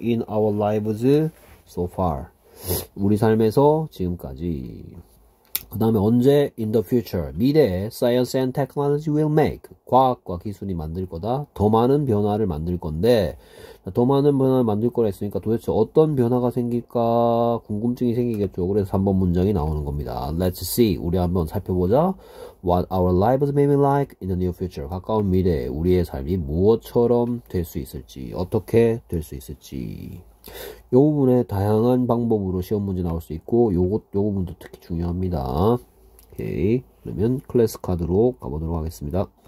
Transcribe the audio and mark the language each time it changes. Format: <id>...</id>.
<en>In our lives so far</en> <ko>우리 삶에서 지금까지 그 다음에 언제?</ko> <en>In the future</en> <ko>미래에</ko> <en>Science and Technology will make</en> <ko>과학과 기술이 만들 거다 더 많은 변화를 만들 건데 더 많은 변화를 만들 거라 했으니까 도대체 어떤 변화가 생길까 궁금증이 생기겠죠. 그래서 3번 문장이 나오는 겁니다.</ko> <en>Let's see.</en> <ko>우리 한번 살펴보자.</ko> <en>What our lives may be like in the near future.</en> <ko>가까운 미래에 우리의 삶이 무엇처럼 될수 있을지, 어떻게 될수 있을지. 요 부분에 다양한 방법으로 시험 문제 나올 수 있고, 요 부분도 특히 중요합니다. 오케이. 그러면 클래스 카드로 가보도록 하겠습니다.</ko>